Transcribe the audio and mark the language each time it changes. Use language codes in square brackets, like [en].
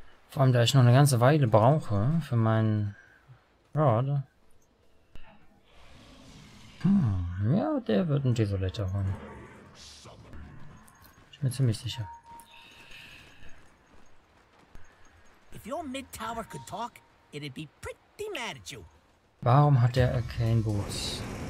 [de] Vor allem, da ich noch eine ganze Weile brauche für meinen Rod. Hm, ja, der wird einen Desolator holen. Ich bin mir ziemlich sicher. [en] If your mid tower could talk, it'd be pretty mad at you. [de] Warum hat der Arcane Boots?